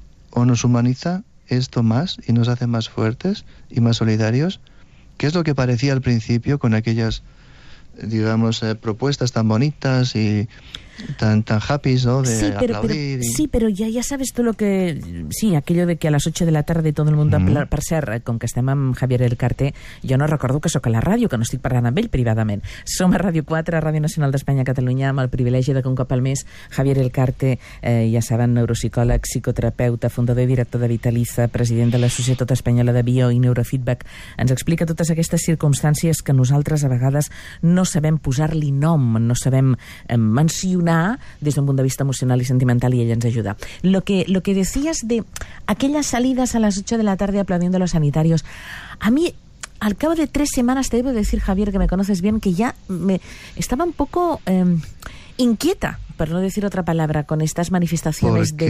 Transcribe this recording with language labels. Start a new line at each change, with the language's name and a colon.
Spanish: O nos humaniza esto más y nos hace más fuertes y más solidarios, que es lo que parecía al principio con aquellas, digamos, propuestas tan bonitas y tan happy, ¿no? De sí, pero, aplaudir. Pero, y... Sí, pero ya sabes tú lo que... Sí, aquello de que a las 8 de la tarde todo el mundo a parsear con que
Catalan: estem amb
Spanish: Javier El Carte.
Catalan: Jo no recordo que sóc a la ràdio, que no estic parlant amb ell privadament. Som a Ràdio 4, a Ràdio Nacional d'Espanya, Catalunya, amb el privilegi de que un cop al mes Javier El Carte, ja saben, neuropsicòleg, psicoterapeuta, fundador i director de Vitaliza, president de la Societat Espanyola de Bio i Neurofeedback, ens explica totes aquestes circumstàncies que nosaltres a vegades no sabem posar-li nom, no sabem mencionar des d'un punt de vista emocional i sentimental, i ell ens ajuda.
Spanish: Lo que decías de aquellas salidas a las 8 de la tarde aplaudiendo a los sanitarios, a mí, al cabo de 3 semanas, te debo decir, Javier, que me conoces bien, que ya me estaba un poco inquieta, por no decir otra palabra, con estas manifestaciones porque